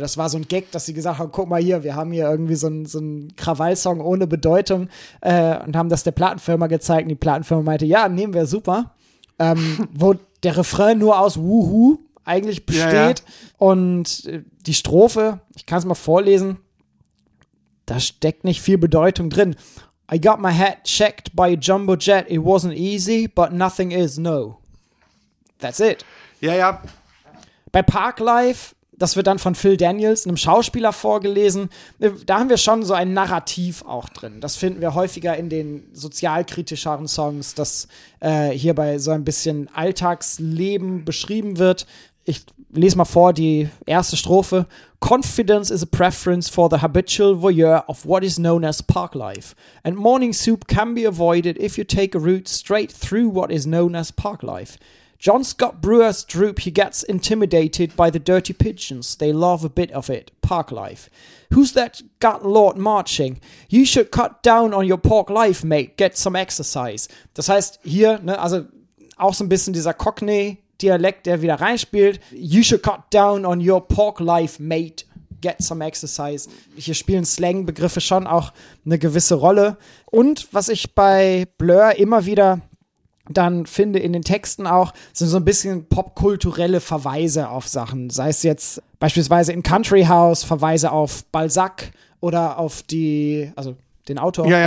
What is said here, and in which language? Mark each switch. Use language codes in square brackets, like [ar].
[de] Das war so ein Gag, dass sie gesagt haben, guck mal hier, wir haben hier irgendwie so einen Krawallsong ohne Bedeutung und haben das der Plattenfirma gezeigt und die Plattenfirma meinte, ja, nehmen wir super. wo der Refrain nur aus Wuhu eigentlich besteht. Ja, ja. Und die Strophe, ich kann es mal vorlesen, da steckt nicht viel Bedeutung drin. [en] I got my head checked by a jumbo jet, it wasn't easy, but nothing is, no. That's it. [de] Ja, ja. Bei Parklife, das wird dann von Phil Daniels, einem Schauspieler, vorgelesen. Da haben wir schon so ein Narrativ auch drin. Das finden wir häufiger in den sozialkritischeren Songs, dass hierbei so ein bisschen Alltagsleben beschrieben wird. Ich lese mal vor die erste Strophe. [en] Confidence is a preference for the habitual voyeur of what is known as park life. And morning soup can be avoided if you take a route straight through what is known as park life. John Scott Brewer's droop, he gets intimidated by the dirty pigeons. They love a bit of it. Park life. Who's that gut lord marching? You should cut down on your park life, mate. Get some exercise. [de] Das heißt, hier, ne, also auch so ein bisschen dieser Cockney-Dialekt, der wieder reinspielt. [en] You should cut down on your park life, mate. Get some exercise. [de] Hier spielen Slang-Begriffe schon auch eine gewisse Rolle. Und was ich bei Blur immer wieder dann finde in den Texten auch, sind so ein bisschen popkulturelle Verweise auf Sachen. Sei es jetzt beispielsweise in Country House Verweise auf Balzac oder auf die, also den Autor, ja, ja.